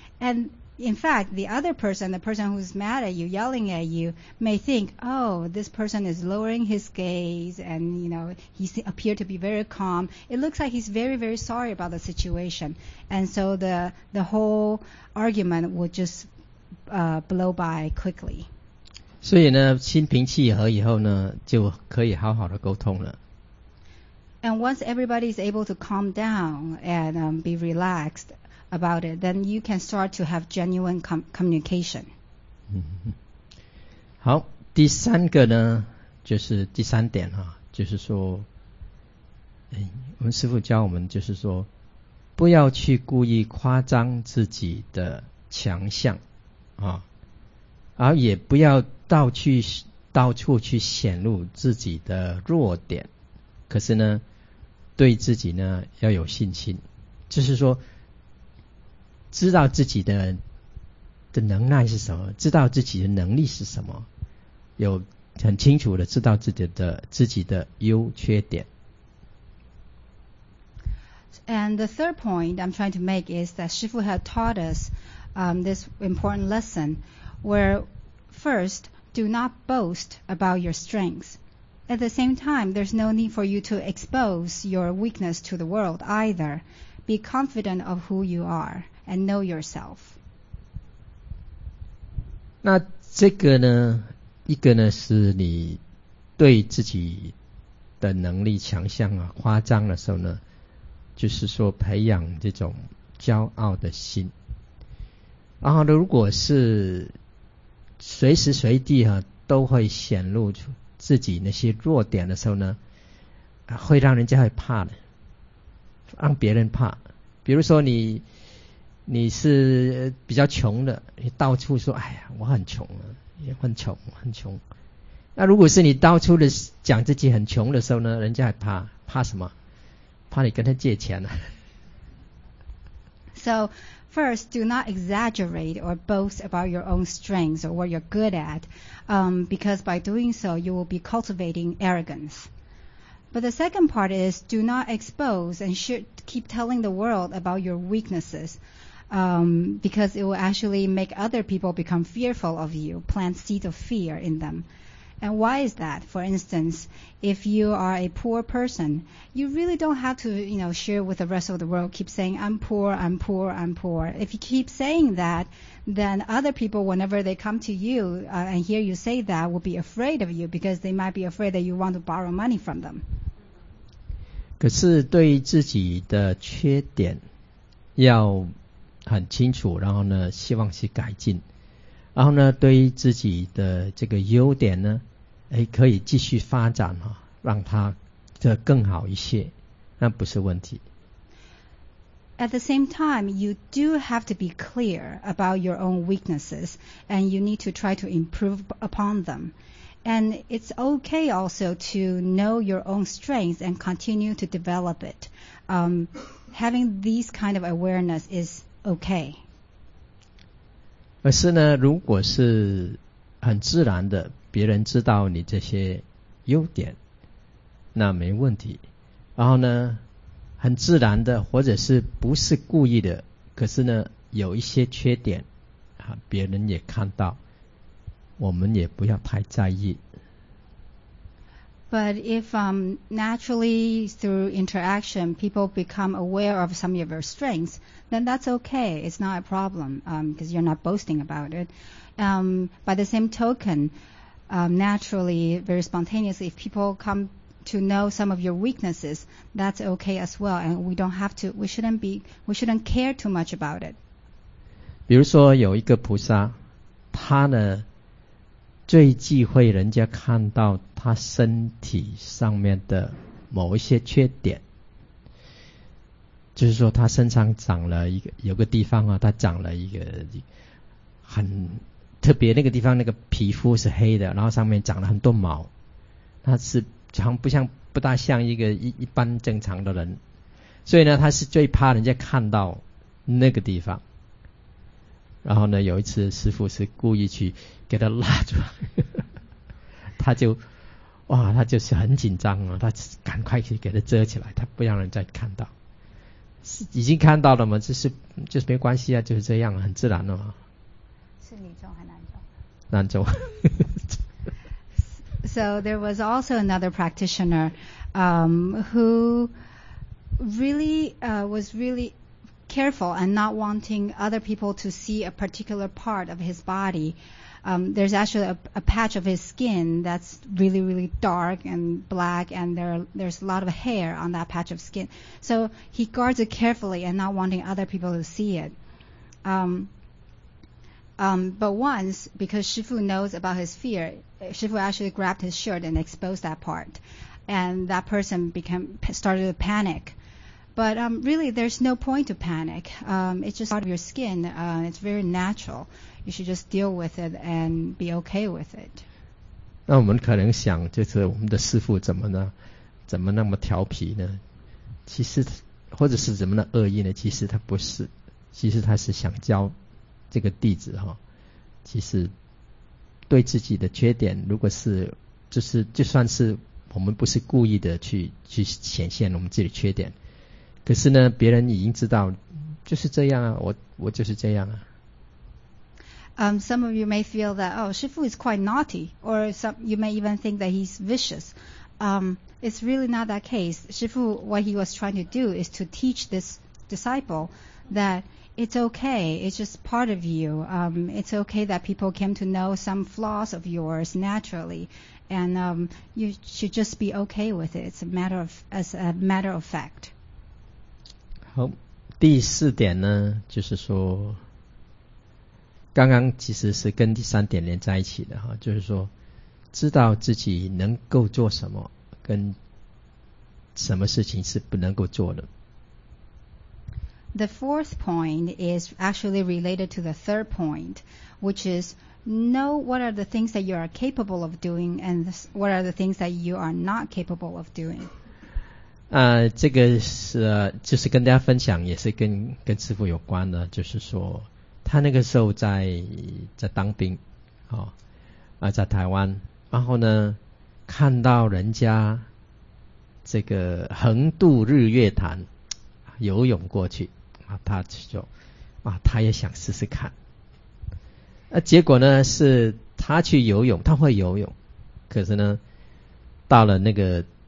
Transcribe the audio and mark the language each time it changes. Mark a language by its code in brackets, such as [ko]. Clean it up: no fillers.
[en] And in fact, the other person, the person who's mad at you, yelling at you, may think, oh, this person is lowering his gaze and, you know, he appeared to be very calm. It looks like he's very, very sorry about the situation. And so the whole argument will just blow by quickly. [zh] 所以呢，心平气和以后呢，就可以好好的沟通了。 [en] And once everybody is able to calm down and be relaxed about it, then you can start to have genuine communication. [zh] 好，第三个呢，就是第三点啊，就是说，哎，我们师父教我们就是说，不要去故意夸张自己的强项啊，而也不要到处去显露自己的弱点，可是呢。对自己呢要有信心，就是说知道自己的能耐是什么，知道自己的能力是什么，有很清楚的知道自己的优缺点。 [en] And the third point I'm trying to make is that 师父 had taught us this important lesson where first do not boast about your strengthsAt the same time, there's no need for you to expose your weakness to the world either. Be confident of who you are and know yourself. [zh] 那这个呢，一个呢是你对自己的能力强项啊，夸张的时候呢，就是说培养这种骄傲的心。然后呢，如果是随时随地啊，都会显露出自己那些弱点的时候呢，会让人家会怕的，让别人怕。比如说你是比较穷的，你到处说，哎呀，我很穷啊，也很穷，很穷。那如果是你到处的讲自己很穷的时候呢，人家还怕，怕什么？怕你跟他借钱啊。 [en] So, first, do not exaggerate or boast about your own strengths or what you're good at, because by doing so, you will be cultivating arrogance. But the second part is, do not expose and should keep telling the world about your weaknesses, because it will actually make other people become fearful of you, plant seeds of fear in them. And why is that? For instance, if you are a poor person, you really don't have to, you know, share with the rest of the world, keep saying, I'm poor, I'm poor, I'm poor. If you keep saying that, then other people, whenever they come to you and hear you say that, will be afraid of you because they might be afraid that you want to borrow money from them. [zh] 可是对于自己的缺点要很清楚，然后呢，希望去改进。然后呢，对于自己的这个优点呢，可以继续发展啊，让它更好一些。那不是问题。 [en] At the same time, you do have to be clear about your own weaknesses, and you need to try to improve upon them. And it's okay also to know your own strengths and continue to develop it. Having these kind of awareness is okay. [zh] 而是呢，如果是很自然的，别人知道你这些优点，那没问题。然后呢，很自然的，或者是不是故意的，可是呢，有一些缺点，别人也看到，我们也不要太在意。 [en] But if naturally through interaction people become aware of some of your strengths, then that's okay. It's not a problem because you're not boasting about it. By the same token, naturally, very spontaneously, if people come to know some of your weaknesses, that's okay as well. And we don't have to, we shouldn't care too much about it. [zh] 比如说有一个菩萨，他呢最忌讳人家看到他身体上面的某一些缺点，就是说他身上长了一个，有个地方啊，他长了一个很特别，那个地方那个皮肤是黑的，然后上面长了很多毛，他是长不像，不大像一个 一般正常的人，所以呢他是最怕人家看到那个地方。然后呢有一次师父是故意去给他拉住呵呵，他就哇他就是很紧张啊，他赶快去给他遮起来，他不让人再看到，已经看到了嘛，就是没关系啊，就是这样，很自然的嘛。是你中还难中？难中。 [en] So there was also another practitioner who really was really careful and not wanting other people to see a particular part of his body. There's actually a patch of his skin that's really, really dark and black, and there's a lot of hair on that patch of skin. So he guards it carefully and not wanting other people to see it. But once, because Shifu knows about his fear, Shifu actually grabbed his shirt and exposed that part. And that person started to panic. But really, there's no point to panic. It's just part of your skin. It's very natural. You should just deal with it and be okay with it. [zh] 那我们可能想，就是我们的师父怎么那么调皮呢？其实，或者是怎么的恶意呢？其实他不是，其实他是想教这个弟子哈，其实对自己的缺点，如果是就是就算是我们不是故意的去显现我们自己的缺点。可是呢，别人已经知道，就是这样啊，我就是这样啊。 [en] Some of you may feel that, oh, Shifu is quite naughty, or some you may even think that he's vicious. It's really not that case. Shifu, what he was trying to do is to teach this disciple that it's okay, it's just part of you. It's okay that people came to know some flaws of yours naturally, and you should just be okay with it. It's a matter of fact. [zh] 好，第四点呢，就是说，刚刚其实是跟第三点连在一起的哈，就是说，知道自己能够做什么，跟什么事情是不能够做的。 [en] The fourth point is actually related to the third point, which is know what are the things that you are capable of doing and what are the things that you are not capable of doing. [zh] 这个是就是跟大家分享，也是跟师父有关的，就是说他那个时候在当兵，哦，在台湾，然后呢看到人家这个横渡日月潭游泳过去啊，他就啊他也想试试看，结果呢是他去游泳，他会游泳，可是呢到了那个。